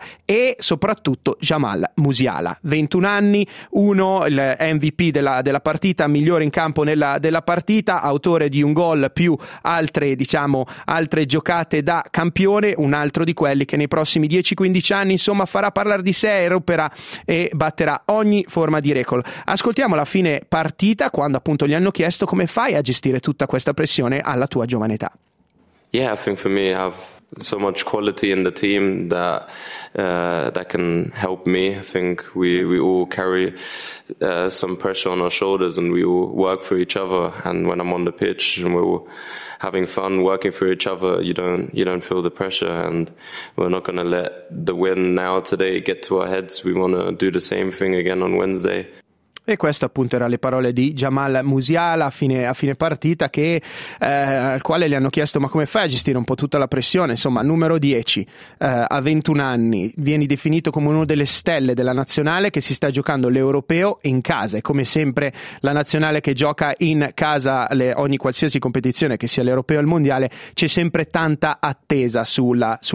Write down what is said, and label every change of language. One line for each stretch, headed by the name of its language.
Italian: e soprattutto Jamal Musiala, 21 anni, uno il MVP della partita, migliore in campo della partita, autore di un gol più altre, diciamo, altre giocate da campione, un altro di quelli che nei prossimi 10-15 anni, insomma, farà parlare di sé, romperà e batterà ogni forma di record. Ascoltiamo la fine partita, quando appunto gli hanno chiesto: come fai a gestire tutta questa pressione alla tua giovane età?
English: Yeah, I think for me I have so much quality in the team that can help me. I think we all carry some pressure on our shoulders and we all work for each other, and when I'm on the pitch and we're having fun working for each other, you don't feel the pressure, and we're not going to let the win now today get to our heads. We want to do the same thing again on Wednesday.
Italian: E questo appunto era le parole di Jamal Musiala a fine partita, che al quale gli hanno chiesto: ma come fai a gestire un po' tutta la pressione, insomma, numero 10, a 21 anni vieni definito come una delle stelle della nazionale che si sta giocando l'europeo in casa, e come sempre la nazionale che gioca in casa ogni qualsiasi competizione, che sia l'europeo o il mondiale, c'è sempre tanta attesa sulla